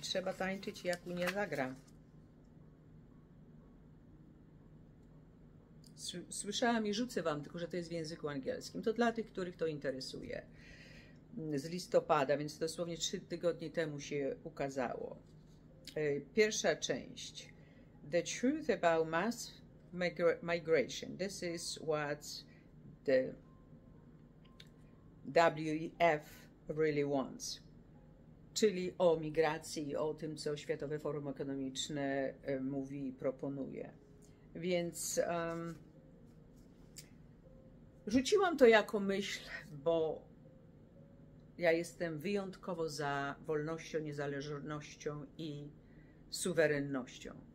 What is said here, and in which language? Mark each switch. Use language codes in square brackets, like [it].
[pl] Trzeba tańczyć, jak Unia zagra. Słyszałam i rzucę wam, tylko że to jest w języku angielskim. To dla tych, których to interesuje. Z listopada, więc dosłownie 3 tygodnie temu się ukazało. Pierwsza część. [en] The truth about mass migration. This is what the WEF really wants. [pl] Czyli o migracji, o tym, co Światowe Forum Ekonomiczne mówi i proponuje. Więc rzuciłam to jako myśl, bo ja jestem wyjątkowo za wolnością, niezależnością i suwerennością.